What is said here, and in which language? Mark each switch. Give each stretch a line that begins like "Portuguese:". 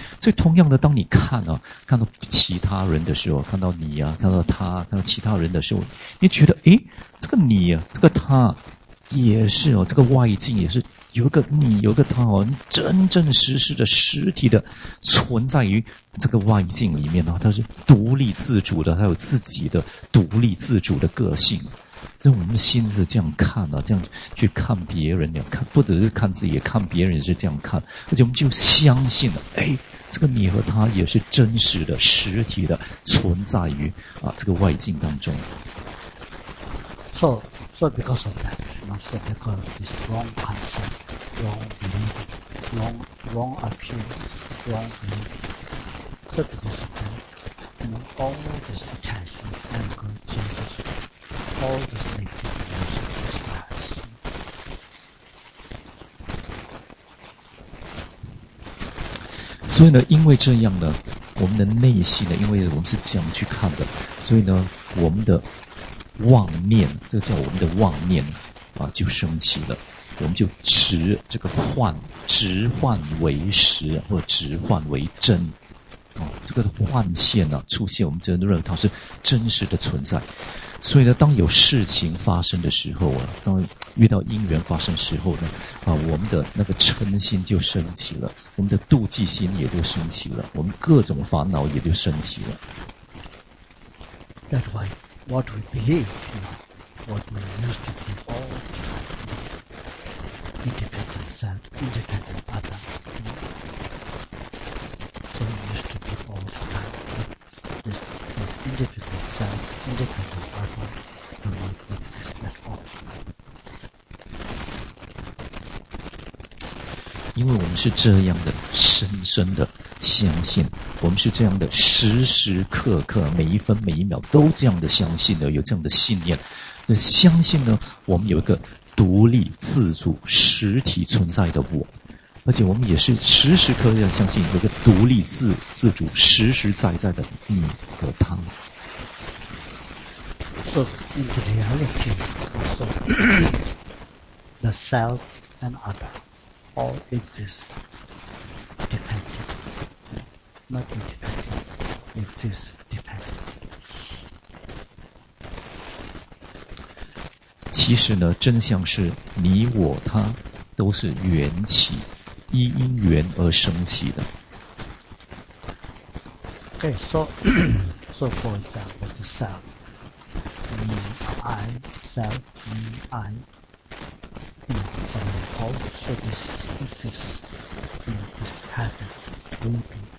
Chinese: 所以同样的，当你看啊，看到其他人的时候，看到你啊，看到他，看到其他人的时候，你觉得诶，这个你啊，这个他，也是哦，这个外境也是有一个你，有一个他哦，真正实实的实体的存在于这个外境里面哦，它是独立自主的，它有自己的独立自主的个性。所以我们心是这样看啊，这样去看别人，你看不只是看自己，看别人也是这样看，而且我们就相信了，哎，这个你和他也是真实的实体的存在于啊这个外境当中。
English: So. So because of that, so because of this wrong concept, wrong belief, wrong appearance, wrong belief. So because of that, you know, all this attachment, anger, jealousy, all this negativeness of this life.
Chinese: So, 呢，因为这样呢，我们的内心呢，因为我们是这样去看的，所以呢，我们的妄念，这个叫我们的妄念啊，就升起了，我们就执这个幻，执幻为实，或者执幻为真啊，这个幻现啊出现，我们真的认为它是真实的存在。所以呢，当有事情发生的时候啊，当遇到因缘发生的时候呢，啊，我们的那个嗔心就升起了，我们的妒忌心也就升起了，我们各种烦恼也就升起了。
English: That way. What we believe, you know, what we used to believe all the time, you know, independent self, independent other, you know. So we used to believe all the time, you know, this independent self, independent other, do not exist at all.
Chinese: 因为我们是这样的深深的相信，我们是这样的时时刻刻每一分每一秒都这样的相信的，有这样的信念，就相信呢我们有一个独立自主实体存在的我，而且我们也是时时刻刻相信有一个独立自主实实在在的你和他。
English: So in the reality also, the self and other all exist dependentNot independent, exists dependent.
Chinese: 其实呢，真相是你我他都是缘起，依因缘而生起的。
English: Okay, so for example, the self, me, I, self, me, I, you know, all so this exists, you know, this happens, will be.